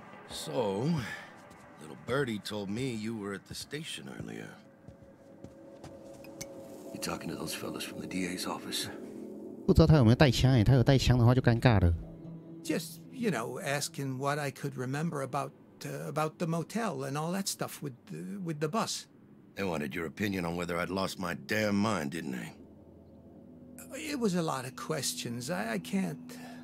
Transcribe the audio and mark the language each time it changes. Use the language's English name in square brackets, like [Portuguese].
[English] So, little birdie told me you were at the station earlier. You talking to those fellas from the DA's office? [Chinese] 不知道他有没有带枪耶，他有带枪的话就尴尬了。 [English] Just, you know, asking what I could remember about the motel and all that stuff with the bus. They wanted your opinion on whether I'd lost my damn mind, didn't they? It was a lot of questions. I can't...